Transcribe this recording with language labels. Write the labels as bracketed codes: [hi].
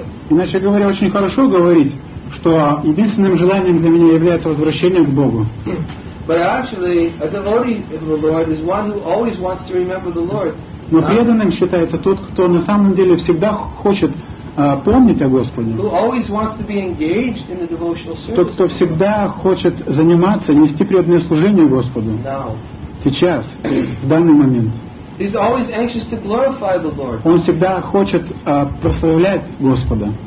[ru] Иначе говоря, очень хорошо говорить, что единственным желанием для меня является возвращение к Богу. [en] But actually, a devotee of the Lord is one who always wants to remember the Lord. [ru] Но преданным считается тот, кто на самом деле всегда хочет помнить о Господе. [en] Who always wants to be engaged in the devotional service. [ru] Тот, кто всегда хочет заниматься, нести преданное служение Господу. [en] Now. [ru] Сейчас, в данный момент. [en] He's always anxious to glorify the Lord. [ru] Он всегда хочет прославлять Господа.